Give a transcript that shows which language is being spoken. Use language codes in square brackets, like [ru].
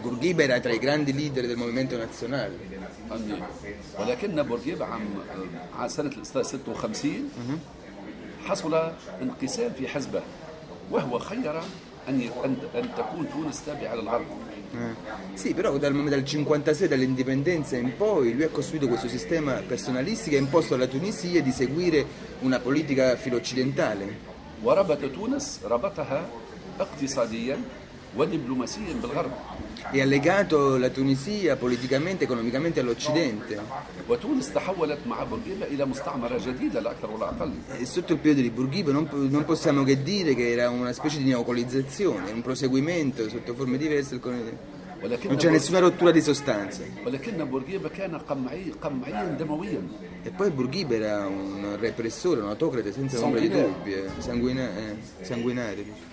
[it] بورقيبه era tra i grandi leader del movimento nazionale. [ar] ولكن بورقيبه عام سنة 56 حصل انقسام في حزبه وهو خير أن تكون تونس تابعة للغرب. [it] Sì, però dal 56 dall'indipendenza in poi lui ha costruito questo sistema personalistico e ha imposto alla Tunisia di seguire una politica filo-occidentale. [ar] وربط تونس ربطها اقتصاديا ودبلوماسيا بالغرب. [it] E ha legato la Tunisia politicamente, economicamente all'Occidente. [ar] وتونس تحولت مع بورقيبة إلى مستعمرة جديدة لا أكثر ولا أقل. [it] E sotto il piede di Bourguiba non possiamo che dire che era una specie di neocolonizzazione, un proseguimento sotto forme diverse del colonialismo. ولكن non c'è nessuna rottura di sostanza. [ar] ولكن بورغيبا كان قمعي قمعيا دمويا. [it] E poi Bourguiba era un repressore, un autocrate senza ombra di dubbi, sanguinario.